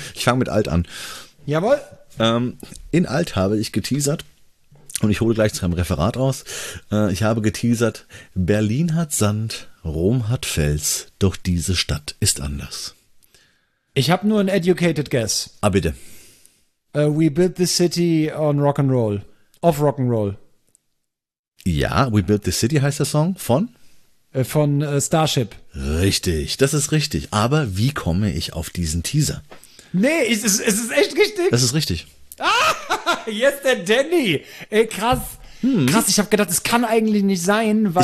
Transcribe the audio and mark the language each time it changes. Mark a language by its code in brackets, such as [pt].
[de] Ich fange mit Alt an. Jawohl. In Alt habe ich geteasert, und ich hole gleich zu einem Referat raus, ich habe geteasert, Berlin hat Sand, Rom hat Fels, doch diese Stadt ist anders. Ich habe nur ein educated guess. Ah, bitte. [en] We built this city on Rock'n'Roll, off Rock'n'Roll. [de] Ja, We built this city heißt der Song, von? Von Starship. Richtig, das ist richtig, aber wie komme ich auf diesen Teaser? Nee, es ist echt richtig. Das ist richtig. Ah, jetzt der Danny. Ey, krass. Krass, ich habe gedacht, es kann eigentlich nicht sein, weil...